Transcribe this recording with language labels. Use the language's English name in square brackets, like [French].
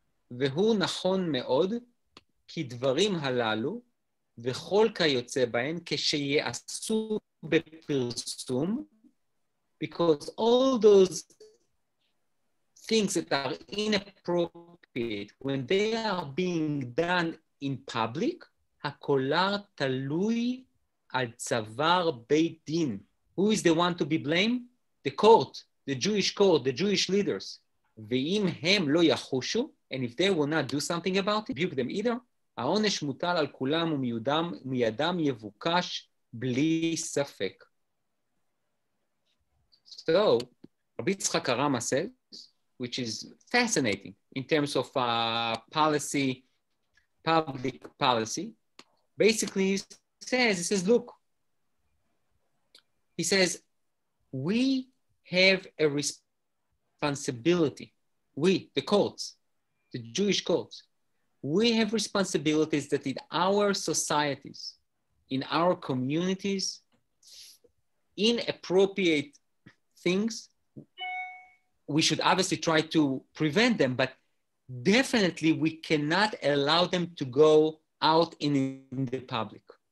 [Hebrew] והוא נכון מאוד, כי דברים הללו, וכל כיוצא בהן, כשיעשו בפרסום, [English] because all those things that are inappropriate, when they are being done in public, [Hebrew] הקולר תלוי על צוואר בית דין. [English] Who is the one to be blamed? The court, the Jewish court, the Jewish leaders. [Hebrew] ואם הם לא יחושו, [English] and if they will not do something about it, rebuke them either, [Hebrew] העונש מוטל על כולם ומידם, מידם יבוקש בלי ספק. [English] So, רבי יצחק הרמה says, which is fascinating in terms of policy, public policy, basically he says, look, he says, we have a responsibility, we, the courts, the Jewish courts, we have responsibilities that in our societies, in our communities, inappropriate things, we should obviously try to prevent them, but definitely we cannot allow them to go out in the public.